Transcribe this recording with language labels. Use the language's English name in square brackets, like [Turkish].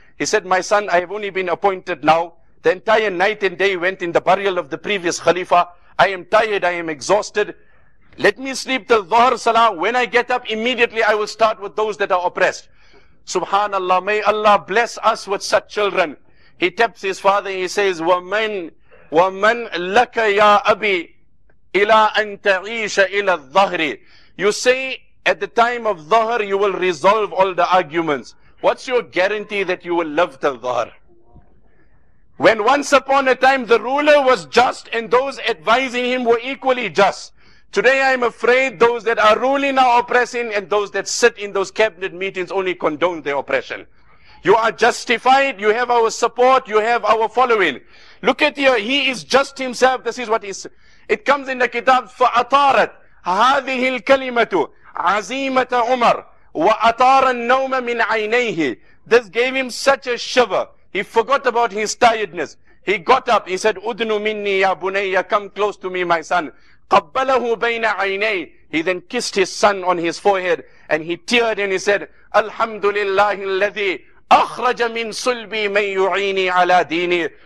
[English] He said, my son, I have only been appointed now. The entire night and day went in the burial of the previous Khalifa. I am tired, I am exhausted. Let me sleep till Dhuhr Salah. When I get up, immediately I will start with those that are oppressed. Subhanallah, may Allah bless us with such children. He taps his father and he says, [Arabic] وَمَنْ لَكَ يَا أَبِي إِلَىٰ أَن تَعِيشَ إِلَىٰ الظَّهْرِ. [English] You say, at the time of Dhuhr, you will resolve all the arguments. What's your guarantee that you will live till Dhuhr? When once upon a time the ruler was just and those advising him were equally just. Today I am afraid those that are ruling are oppressing and those that sit in those cabinet meetings only condone their oppression. You are justified, you have our support, you have our following. Look at here, he is just himself, this is what he said. It comes in the kitab, [Arabic] فَأَطَارَتْ هَذِهِ الْكَلِمَةُ عَزِيمَةَ عُمَرُ وَأَطَارَ النَّوْمَ مِنْ عَيْنَيْهِ. [English] This gave him such a shiver, he forgot about his tiredness. He got up, he said, [Arabic] أُدْنُ مِنِّي يَا بُنَيَّ, [English] come close to me my son. [Arabic] قَبَّلَهُ بَيْنَ عَيْنَيْهِ. [English] He then kissed his son on his forehead and he teared and he said, [Arabic] الْحَمْدُ لِلَّهِ الَّذِي أَخْرَجَ مِنْ سُلْبِي مَنْ يُعِينِي عَلَىٰ دِينِي.